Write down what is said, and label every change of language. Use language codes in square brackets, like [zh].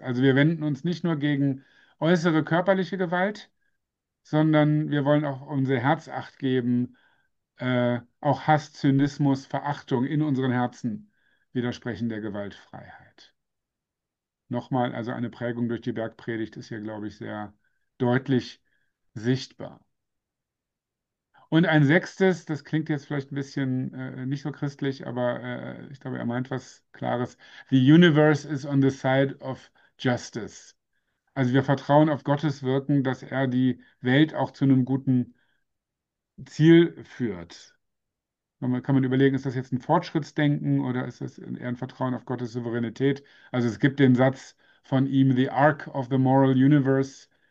[de] Also wir wenden uns nicht nur gegen äußere körperliche Gewalt, sondern wir wollen auch unser Herz acht geben, auch Hass, Zynismus, Verachtung in unseren Herzen widersprechen der Gewaltfreiheit. Nochmal, also eine Prägung durch die Bergpredigt ist hier, glaube ich, sehr deutlich sichtbar. Und ein sechstes, das klingt jetzt vielleicht ein bisschen nicht so christlich, aber ich glaube, er meint was Klares. [en] The universe is on the side of justice. [de] Also wir vertrauen auf Gottes Wirken, dass er die Welt auch zu einem guten Ziel führt. Man kann man überlegen, ist das jetzt ein Fortschrittsdenken oder ist das eher ein Vertrauen auf Gottes Souveränität? Also es gibt den Satz von ihm, [en] The arc of the moral universe,